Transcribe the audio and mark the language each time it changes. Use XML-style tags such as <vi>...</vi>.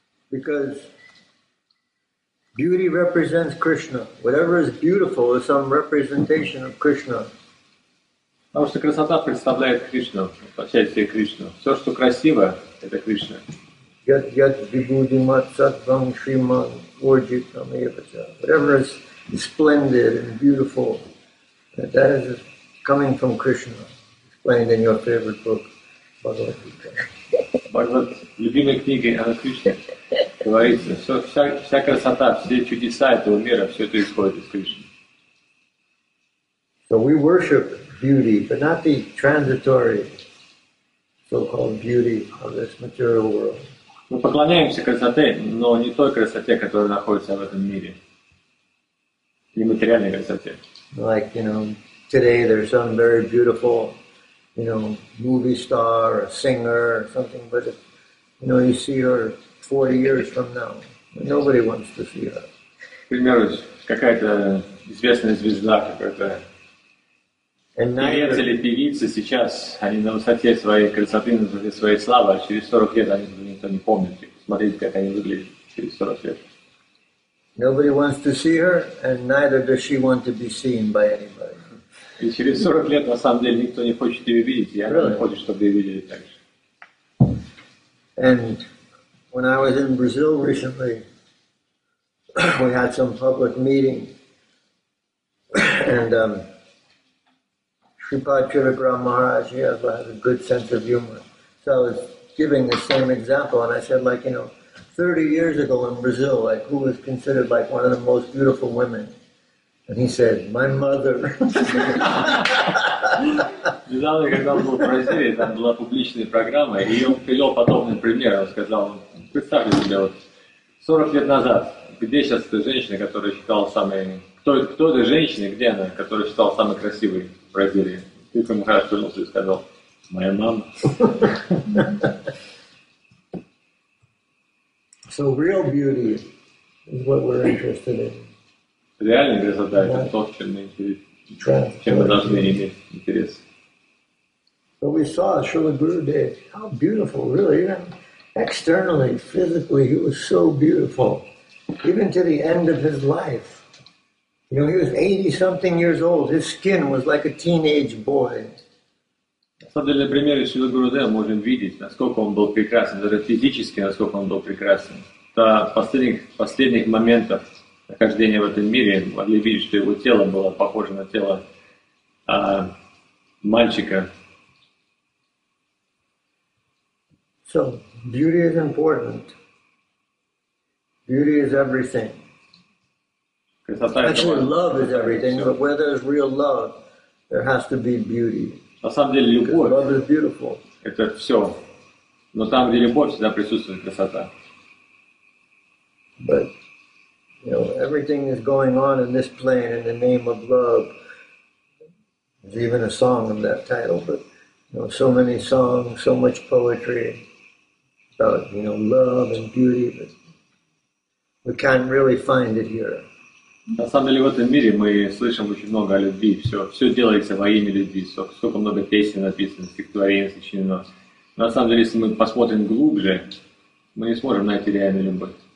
<en>Because beauty represents Krishna. Whatever is beautiful is some representation of Krishna.</en> <ru>Потому что красота представляет Кришну, воплощающая Кришну. Все, что красиво, это Кришна.</ru> <sa>Yad yad vibhuti mat sattvam shrimat urjit namayavacha.</sa> <en>Whatever is splendid and beautiful, that is coming from Krishna, explained in your favorite book, Bhagavad Gita.</en> <ru>Бхагавад, любимой книге о Кришне, говорится, что вся красота, все чудеса этого мира, все это исходит из Кришны.</ru> <en>So we worship beauty, but not the transitory so-called beauty of this material world.</en> <ru>Мы поклоняемся красоте, но не той красоте, которая находится в этом мире. Нематериальной красоте.</ru> <en>Like, you know, today there's some very beautiful, you know, movie star, a singer, or something, but if, you know, you see her 40 years from now, nobody wants to see her.</en> <ru>Например, какая-то известная звезда, какая-то певец или певица сейчас, они на высоте своей красоты, на высоте своей славы, а через 40 лет они, никто не помнит. Смотрите, как они выглядят через 40 лет.</ru> <en>Nobody wants to see her, and neither does she want to be seen by anybody.</en> <ru>И через 40 лет, на самом деле, никто не хочет ее видеть, и она</ru> <en>really?</en> <ru>Не хочет, чтобы ее видели так же.</ru> <en>And when I was in Brazil recently, we had some public meeting, and Shripad Trivikram Maharaj, he has a good sense of humor. So I was giving the same example, and I said, like, you know, 30 years ago in Brazil, like, who was considered, like, one of the most beautiful women? And he said, my mother.</en> <ru>Недавно, когда он был в Бразилии, там была публичная программа, и он привел подобный пример. Он сказал, представьте себе, вот 40 лет назад, где сейчас эта женщина, которая считала самой... Кто эта женщина, где она, которая считала самой красивой в Бразилии? И он хорошо вернулся и сказал, моя мама.</ru> <en>So real beauty is what we're interested in.</en> <ru>Реальная красота — это то, чем мы должны иметь интерес.</ru> <en>So we saw Srila Gurudev, how beautiful, really, even externally, physically, he was so beautiful, even to the end of his life. You know, he was 80-something years old, his skin was like a teenage boy.</en> <ru>На самом деле, на примере Шрилы Гурудева мы можем видеть, насколько он был прекрасен, даже физически, насколько он был прекрасен. До последних моментов нахождения в этом мире могли видеть, что его тело было похоже на тело мальчика.</ru> <en>So, beauty is important. Beauty is everything. Actually, love is everything, but where there's real love, there has to be beauty.</en> <ru>На самом деле, любовь,</ru> <en>because love is beautiful.</en> <ru>Это все. Но там, где любовь, всегда присутствует красота.</ru> <en>But, you know, everything is going on in this plane in the name of love. There's even a song of that title, but, you know, so many songs, so much poetry about, you know, love and beauty, but we can't really find it here.</en> <ru>На самом деле, в этом мире мы слышим очень много о любви. Все делается во имя любви. Столько много песен написано, стихотворений сочинено. Но, на самом деле, если мы посмотрим глубже, мы не сможем найти реальную любовь.</ru>